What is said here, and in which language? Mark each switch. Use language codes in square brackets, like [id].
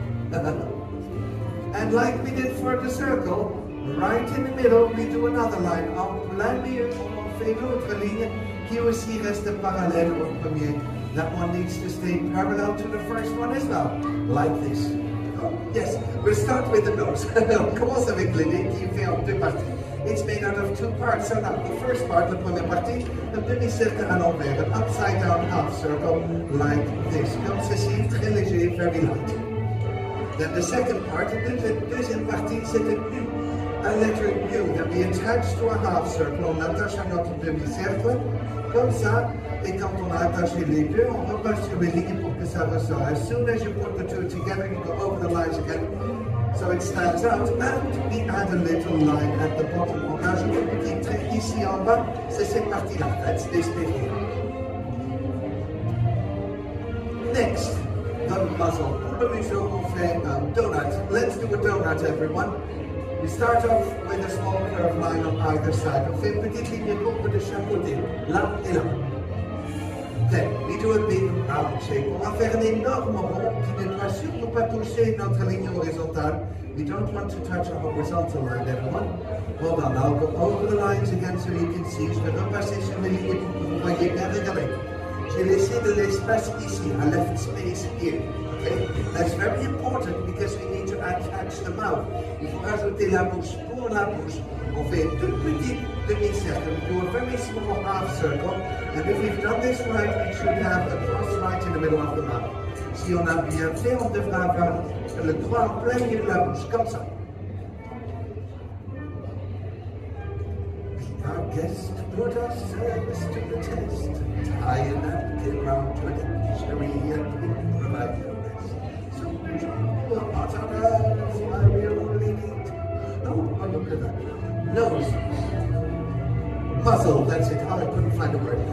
[en] And like we did for the circle, right in the middle, we do another line. [fr] En plein milieu, on fait une autre ligne qui aussi reste parallèle au premier. [en] That one needs to stay parallel to the first one as well. Like this. Oh, yes, we'll start with the nose. [fr] Commence avec le nez qui fait en deux parties. [en] It's made out of two parts. So now, the first part, the [fr] première partie, [en] the [fr] demi-circle à l'envers, [en] an upside-down half-circle, like this. [fr] Comme ceci, très léger, [en] very light. Then the second part, the [fr] deuxième partie, c'est [en] a letter U that we attach to a half-circle. [fr] On attache à notre demi-circle, comme ça. Et quand on a attaché les deux, on repasse sur les lignes pour que ça ressort. [en] As soon as you put the two together, you go over the lines again. So it stands out, and we add a little line at the bottom. [fr] On rajoute un petit trait ici en bas, c'est cette partie-là, [en] that's this bit here. Next, the muzzle. [fr] Pour le museau, on fait un donut. [en] Let's do a donut, everyone. We start off with a small curved line on either side. [fr] On fait une petite ligne courbe de chapeauté, là et là. [en] Then, we do a big round shape. [fr] On va faire un énorme rond qui ne doit surtout pas toucher notre ligne horizontale. [en] We don't want to touch our horizontal line, everyone. Hold on, I'll go over the lines again so you can see. [fr] Je vais repasser sur les lignes pour que vous voyez bien. Regardez. J'ai laissé de l'espace ici. [en] I left space here. Okay? That's very important because we need to attach the mouth. [fr] Il faut rajouter la bouche pour la bouche. On fait tout petit. [en] Demi-circle, we do a very small half circle, and if we've done this right, we should have a cross right in the middle of the mouth. [fr] Si on a bien fait, on devrait avoir le croix en plein milieu de la bouche, comme ça. [en] Our guest put our service to the test. Tie a napkin round to an injury and provide your rest. So, what on earth my real only need? Oh, look at that. Nose. puzzle, that's it. Oh, I couldn't find a word.